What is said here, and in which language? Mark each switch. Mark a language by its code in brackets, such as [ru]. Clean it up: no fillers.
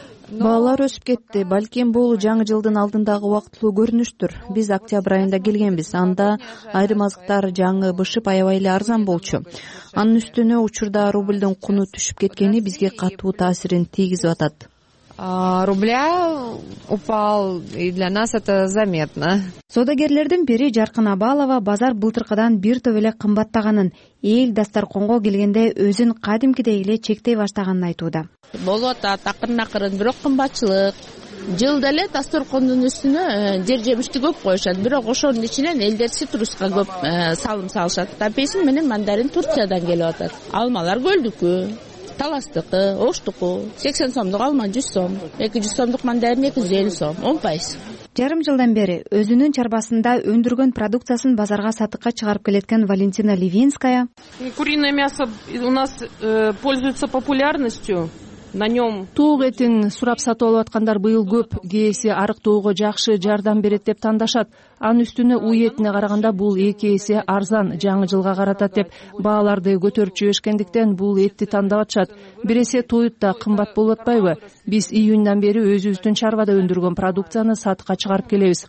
[ky] Баалар өсүп кетти. Балким бул жаңы жылдын алдындагы убактылуу көрүнүштүр. Биз октябрь айында келгенбиз. Анда айрым азыктар жаңы бышып аябай эле арзан болчу. Анын үстүнө учурда рубльдун куну түшүп кеткени бизге катуу таасирин тийгизип атат. [ru] Рубля упал, и для нас это заметно. [ky] Соодагерлердин бири Жаркын Абалова базар былтыркыдан бир топ эле кымбаттаганын, эл дасторконго келгенде өзүн кадимкидей эле чектей баштаганын айтууда. Болуп атат акырын-акырын, бирок кымбатчылык. Жылда эле дасторкондун үстүнө жер жемишти көп коюшат, бирок ошонун ичинен элдер ситруска көп салым салышат. Апельсин менен мандарин Турциядан келип атат. Алмалар көлдүкү. Таластыкы, Оштуку, 80 сомдук алма 100 сом, 200 сомдук мандарин 250 сом, 10%. Жарым жылдан бери өзүнүн чарбасында өндүргөн продукциясын базарга сатыкка чыгарып келеткен Валентина Левинская. [ru] Куриное мясо у нас пользуется популярностью. [ky] Туук этин сурап сатып алып аткандар быйыл көп, кээси арыктоого жакшы жардам берет деп тандашат. Анын үстүнө уй этине караганда бул эки эсе арзан, жаңы жылга каратат деп бааларды көтөрүп жүрүшкөндүктөн бул этти тандап атышат. Биресе туйут да кымбат болуп атпайбы? Биз июндан бери өзүбүздүн чарбада өндүргөн продукцияны сатыкка чыгарып келебиз.